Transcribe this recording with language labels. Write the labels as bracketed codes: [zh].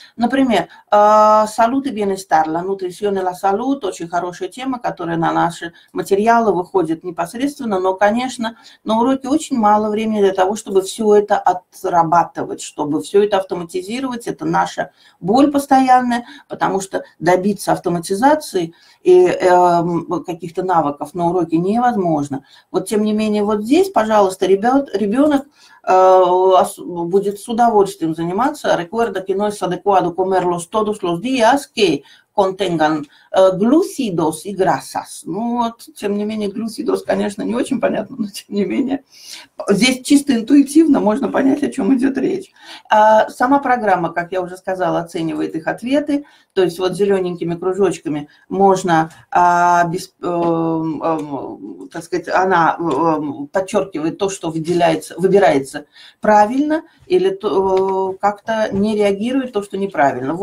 [ru] Например, [es] salud y bienestar, la nutrición y la salud, [ru] очень хорошая тема, которая на наши материалы выходит непосредственно, но, конечно, на уроке очень мало времени для того, чтобы все это отрабатывать, чтобы все это автоматизировать, это наша боль постоянная, потому что добиться автоматизации и каких-то навыков на уроке невозможно. Вот, тем не менее, вот здесь, пожалуйста, ребенок будет с удовольствием заниматься. [es] Recuerda que no es adecuado comerlos todos los días que contengan glúcidos y grasas. [ru] Ну вот, тем не менее, глюсидос, конечно, не очень понятно, но тем не менее, здесь чисто интуитивно можно понять, о чем идет речь. Сама программа, как я уже сказала, оценивает их ответы, то есть вот зелененькими кружочками можно, так сказать, она подчеркивает то, что выделяется, выбирается правильно или то, как-то не реагирует то, что неправильно.